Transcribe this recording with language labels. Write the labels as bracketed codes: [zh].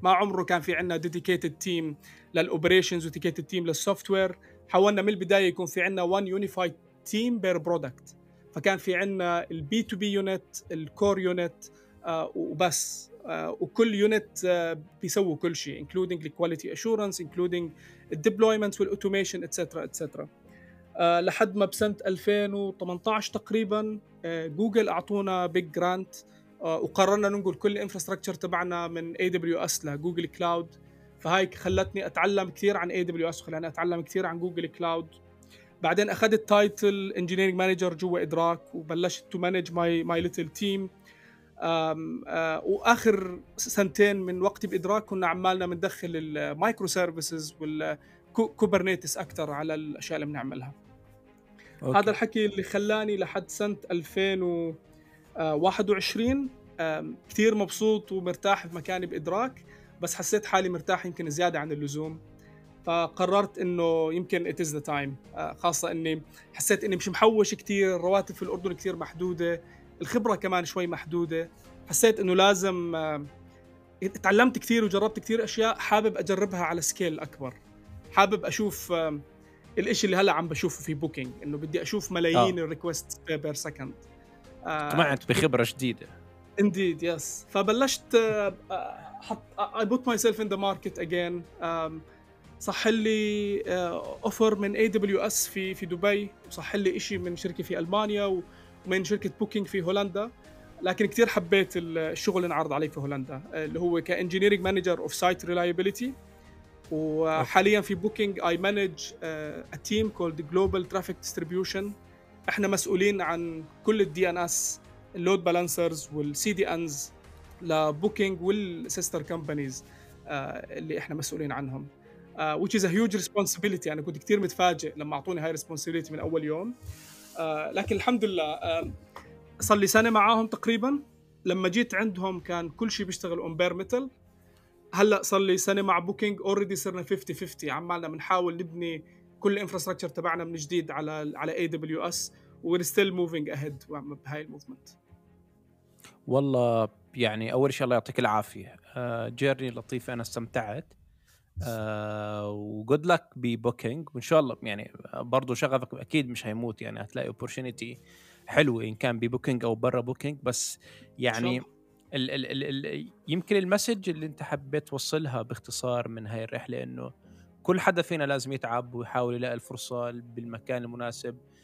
[ar] ما عمره كان في عنا dedicated team للأوبريشنز وdedicated team للسوفتوير. حاولنا من البداية يكون في عنا [en] one unified team per product، [ar] فكان في عنا البي تو بي يونت، الكور يونت وبس. وكل يونت بيسووا كل شيء [en] including the quality assurance including deployments [ar] والautomation etc etc. لحد ما بسنة 2018 تقريبا جوجل أعطونا big grant، وقررنا ننقل كل الانفراستراكتشر تبعنا من AWS لجوجل كلاود. فهاي خلتني أتعلم كثير عن AWS وخلاني أتعلم كثير عن جوجل كلاود. بعدين أخذت تايتل Engineering Manager جوا إدراك، وبلشت [en] to manage my little team. [ar] وآخر سنتين من وقتي بإدراك كنا عمالنا مندخل المايكرو سيرفيسز والكوبرنيتس أكتر على الأشياء اللي بنعملها. أوكي. هذا الحكي اللي خلاني لحد سنة 2021 كثير مبسوط ومرتاح في مكاني بإدراك، بس حسيت حالي مرتاح يمكن زيادة عن اللزوم، فقررت انه يمكن [en] it is the time، [ar] خاصة اني حسيت اني مش محوش كتير، رواتب في الأردن كتير محدودة، الخبرة كمان شوي محدودة، حسيت انه لازم اتعلمت كتير وجربت كتير اشياء، حابب اجربها على سكيل اكبر، حابب اشوف الاشي اللي هلا عم بشوفه في بوكينج، انه بدي اشوف ملايين الريكوست بير سكند. طمعت بخبرة جديدة. [en] Indeed, yes. [ar] فبلشت [en] I put myself in the market again. [ar] صح لي أوفر من AWS في دبي، وصح لي إشي من شركة في ألمانيا، ومن شركة بوكينج في هولندا، لكن كتير حبيت الشغل اللي عرض علي في هولندا اللي هو كإنجينيرينج مانجر أوف سايت ريلايبيليتي. وحاليا في بوكينج [en] I manage a team called Global Traffic Distribution. [ar] إحنا مسؤولين عن كل الـ DNS load balancers والـ CDNs لبوكينج والسيستر كمبانيز اللي إحنا مسؤولين عنهم. [en] Which is a huge responsibility. [ar] أنا كنت كتير متفاجئ لما أعطوني هاي responsibility من أول يوم. لكن الحمد لله صلي سنة معاهم تقريبا. لما جيت عندهم كان كل شيء بيشتغل [en] on bare metal. [ar] هلأ صلي سنة مع booking already صرنا 50-50. عمالنا بنحاول نبني كل infrastructure تبعنا من جديد على AWS. [en] We're still moving ahead [ar] بهاي الموفمنت. والله يعني أول شيء الله يعطيك العافية. جيرني لطيفة، أنا استمتعت. و [en] good luck [ar] ببوكينج، وإن شاء الله يعني برضو شغفك أكيد مش هيموت، يعني هتلاقي opportunity حلوة إن كان ببوكينج أو برا بوكينج. بس يعني ال- ال- ال- ال- يمكن المسج اللي أنت حبيت توصلها باختصار من هاي الرحلة إنه كل حدا فينا لازم يتعب ويحاول يلاقي الفرصة بالمكان المناسب.